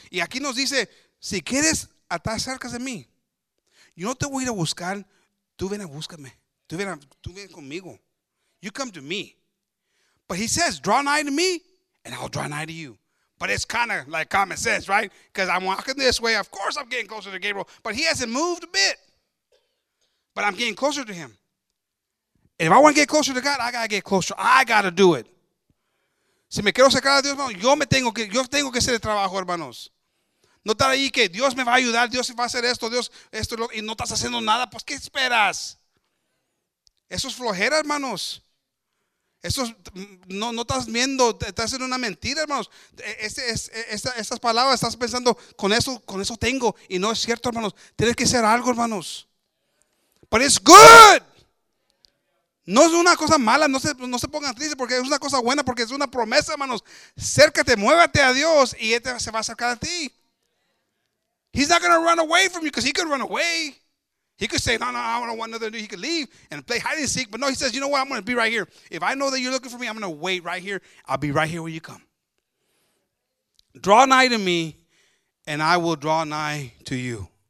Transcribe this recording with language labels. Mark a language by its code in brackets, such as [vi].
[es] Y aquí nos dice, si quieres estar cerca de mí, yo no te voy a ir a buscar. Tú ven a búscame. Tú ven conmigo. [en] You come to me. But he says, draw nigh to me, and I'll draw nigh to you. But it's kind of like common sense, right? Because I'm walking this way. Of course I'm getting closer to Gabriel. But he hasn't moved a bit. But I'm getting closer to him. And if I want to get closer to God, I got to get closer. I got to do it. [es] Si me quiero sacar a Dios, hermano, yo tengo que hacer el trabajo, hermanos. No estar ahí que Dios me va a ayudar, Dios va a hacer esto, Dios esto y no estás haciendo nada, pues ¿qué esperas? Eso es flojera, hermanos. Eso es, no estás viendo, estás en una mentira, hermanos. Estas palabras, estás pensando, con eso tengo. Y no es cierto, hermanos. Tienes que hacer algo, hermanos. [en] But it's good. [es] No es una cosa mala, no se pongan tristes, porque es una cosa buena, porque es una promesa, hermanos. Cércate, muévete a Dios y Él se va a acercar a ti. [en] He's not going to run away from you, because He could run away. He could say, no, I don't want nothing to do. He could leave and play hide and seek. But no, He says, you know what? I'm going to be right here. If I know that you're looking for me, I'm going to wait right here. I'll be right here when you come. Draw nigh to me, and I will draw nigh to you.